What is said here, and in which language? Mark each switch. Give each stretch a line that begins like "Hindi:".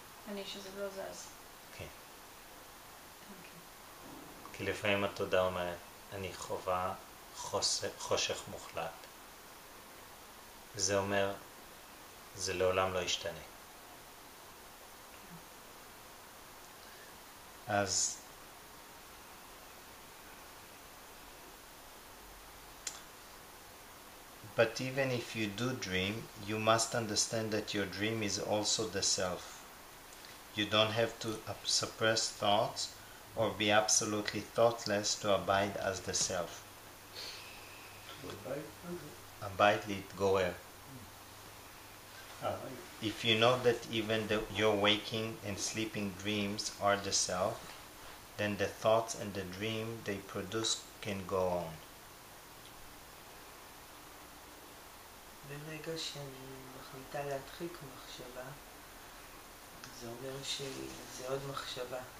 Hebrew: אני שזה לא זז. כן. כי לפעמים התודעה אומרת, אני חווה חושך מוחלט. זה אומר, זה לעולם לא ישתנה.
English: אז but even if you do dream, you must understand that your dream is also the self. You don't have to suppress thoughts or be absolutely thoughtless to abide as the self. Abide, let go. If you know that even your waking and sleeping dreams are the self, then the thoughts and the dream they produce can go on.
Hebrew: ברגע שאני מחליטה להדחיק מחשבה, זה אומר שזה עוד מחשבה.